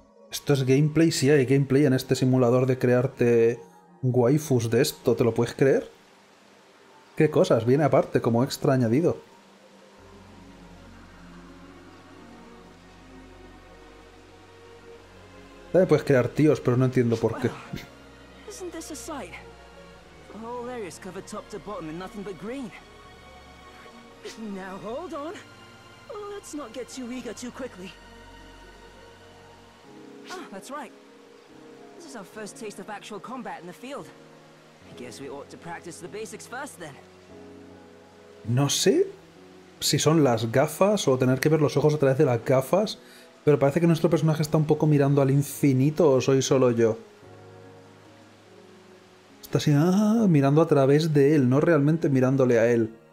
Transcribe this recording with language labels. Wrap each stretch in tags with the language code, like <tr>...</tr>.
<es>Esto es gameplay, sí hay gameplay en este simulador de crearte waifus de esto, ¿te lo puedes creer? ¿Qué cosas? Viene aparte, como extra añadido. También puedes crear tíos, pero no entiendo por qué.</es> <en>Isn't this a sight? The whole area is covered top to bottom in nothing but green. Now hold on. Let's not get too eager too quickly. Ah, that's right. This is our first taste of actual combat in the field. I guess we ought to practice the basics first then.</en> <es>No sé si son las gafas o tener que ver los ojos a través de las gafas Pero parece que nuestro personaje está un poco mirando al infinito, ¿o soy solo yo? Está así, mirando a través de él, no realmente mirándole a él.</es>